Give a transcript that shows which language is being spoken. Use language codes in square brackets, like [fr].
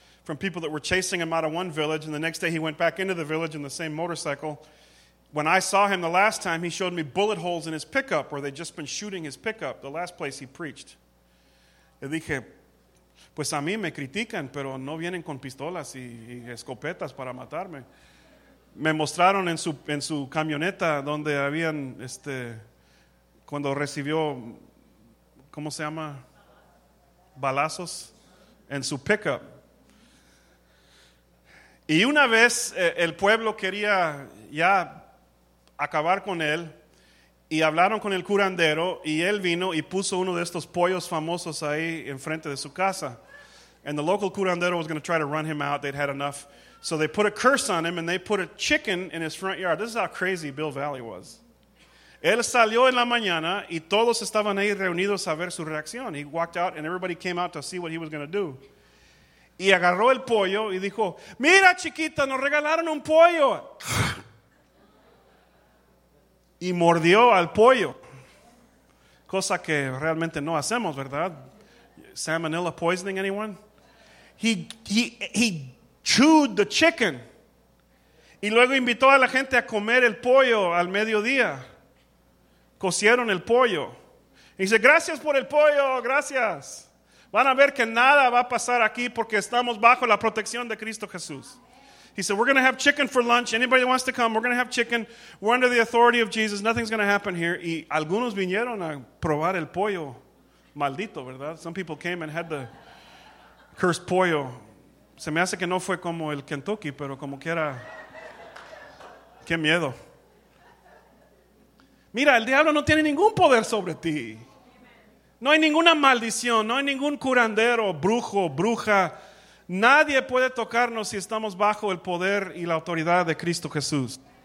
[en] from people that were chasing him out of one village, and the next day he went back into the village in the same motorcycle. When I saw him the last time, he showed me bullet holes in his pickup where they'd just been shooting his pickup, the last place he preached. [es] Le dije, pues a mí me critican, pero no vienen con pistolas y escopetas para matarme. Me mostraron en su camioneta donde habían, cuando recibió, ¿cómo se llama? Balazos en su pickup. Y una vez el pueblo quería ya acabar con él y hablaron con el curandero y él vino y puso uno de estos pollos famosos ahí enfrente de su casa. [en] And the local curandero was going to try to run him out. They'd had enough. So they put a curse on him and they put a chicken in his front yard. This is how crazy Bill Valley was. [es] Él salió en la mañana y todos estaban ahí reunidos a ver su reacción. [en] He walked out and everybody came out to see what he was going to do. [es] Y agarró el pollo y dijo, mira chiquita, nos regalaron un pollo. Y mordió al pollo. Cosa que realmente no hacemos, ¿verdad? [en] Salmonella poisoning anyone? He chewed the chicken. [es] Y luego invitó a la gente a comer el pollo al mediodía. Cocieron el pollo. Y dice, gracias por el pollo, gracias. Van a ver que nada va a pasar aquí porque estamos bajo la protección de Cristo Jesús. [en] He said, we're going to have chicken for lunch. Anybody that wants to come, we're going to have chicken. We're under the authority of Jesus. Nothing's going to happen here. [es] Y algunos vinieron a probar el pollo. Maldito, ¿verdad? [en] Some people came and had the cursed pollo. [es] Se me hace que no fue como el Kentucky, pero como quiera. Qué miedo. Mira, el diablo no tiene ningún poder sobre ti. No hay ninguna maldición, no hay ningún curandero, brujo, bruja. Nadie puede tocarnos si estamos bajo el poder y la autoridad de Cristo Jesús.